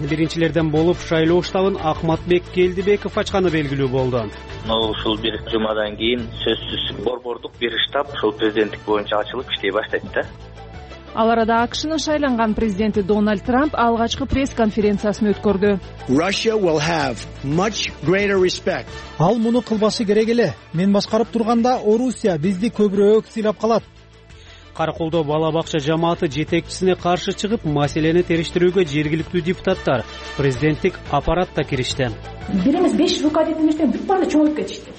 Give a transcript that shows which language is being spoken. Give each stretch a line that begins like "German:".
Kyrgyz: Биринчилерден болуп шайлоо штабын Акматбек Келдибеков ачканы белгилүү болду. Ушул бир жумадан кийин сөзсүз борбордук бир штаб ушул президенттик боюнча ачылып иштей баштайт да. Ал арада АКШнын шайланган президенти Дональд Трамп алгачкы пресс-конференциясын өткөрдү.
English: Russia will have much greater respect.
Kyrgyz: Ал муну кылбашы керек эле. Мен башкарып турганда Орусия бизди көбүрөөк сыйлап калат. Каракулдо бала бакча жамааты жетекчисине каршы чыгып, маселени териштирүүгө жергиликтүү депутаттар, президенттик аппарат да киришти. Бирибиз 5 рука деген нерсе бүт баары чоңойуп кетишти.